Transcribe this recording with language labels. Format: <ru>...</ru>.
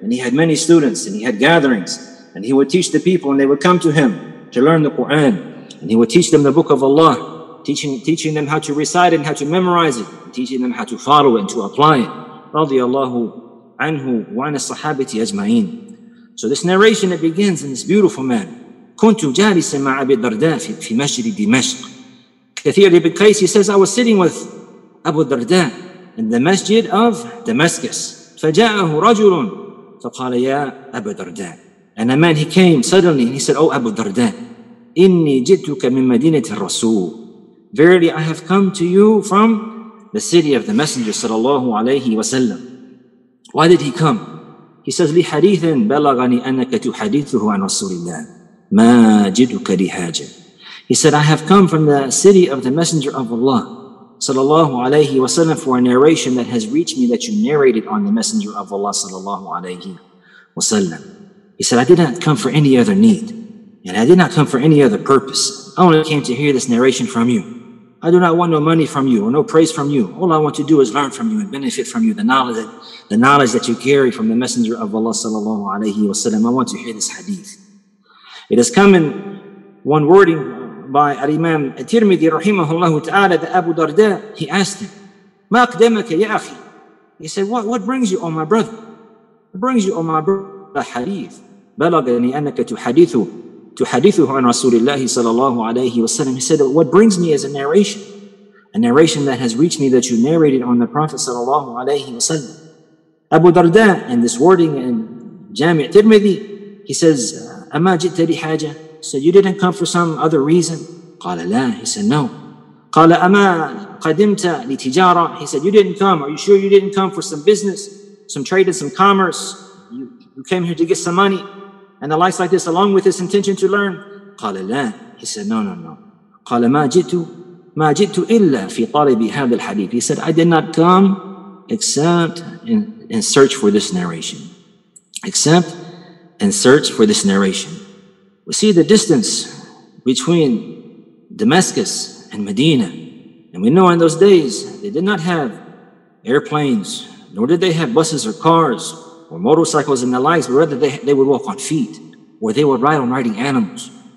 <en>And he had many students and he had gatherings. And he would teach the people and they would come to him to learn the Quran. And he would teach them the book of Allah, teaching them how to recite it and how to memorize it, and teaching them how to follow it and to apply it.</en> <ar>Radiallahu anhu wa an as-sahabati ajma'in.</ar> <en>So this narration, it begins in this beautiful manner.</en> <ar>كنت جالسا مع أبي الدرداء في مسجد دمشق.</ar> <en>Kathir ibn Qais, he says, I was sitting with Abu Darda in the masjid of Damascus.</en> <ar>فجاءه رجل فقال يا أبو الدرداء.</ar> <en>And a man, he came suddenly and he said, Oh Abu Darda,</en> <ar>إني جئتك من مدينة الرسول.</ar> <en>Verily, I have come to you from the city of the Messenger sallallahu alayhi wa sallam. Why did he come? He says,</en> <ar>لي حديث بلغني أنك تحدثه عن رسول الله ما جدك لحاجة.</ar> <en>He said, I have come from the city of the Messenger of Allah sallallahu alayhi wa sallam for a narration that has reached me that you narrated on the Messenger of Allah sallallahu alayhi wa sallam. He said, I did not come for any other need and I did not come for any other purpose. I only came to hear this narration from you. I do not want no money from you or no praise from you. All I want to do is learn from you and benefit from you, the knowledge that you carry from the Messenger of Allah sallallahu alayhi wa sallam. I want to hear this hadith. It has come in one wording by al-Imam al-Tirmidhi rahimahullah ta'ala that Abu Darda, he asked him,</en> <ar>ما أقدمك يا أخي?</ar> <en>He said, what brings you, O my brother? What brings you, O my brother, hadith?</en> <ar>بلغني أنك تحدثه عن رسول الله صلى الله عليه وسلم.</ar> <en>He said, what brings me is a narration that has reached me that you narrated on the Prophet صلى الله عليه وسلم. Abu Darda, in this wording in Jami' Tirmidhi, he says,</en> <ar>أما جئت لحاجة?</ar> <en>So you didn't come for some other reason?</en> <ar>قال لا.</ar> <en>He said, no.</en> <ar>قال أما قدمت لتجارة?</ar> <en>He said, you didn't come. Are you sure you didn't come for some business, some trade and some commerce? You came here to get some money and the likes like this, along with this intention to learn?</en> <ar>قال لا.</ar> <en>He said, no.</en> <ar>قال ما جئت إلا في طالب هذا الحديث.</ar> <en>He said, I did not come except in search for this narration. Except in search for this narration. We see the distance between Damascus and Medina. And we know in those days, they did not have airplanes, nor did they have buses or cars or motorcycles and the likes, but rather they would walk on feet, or they would ride on riding animals.</en>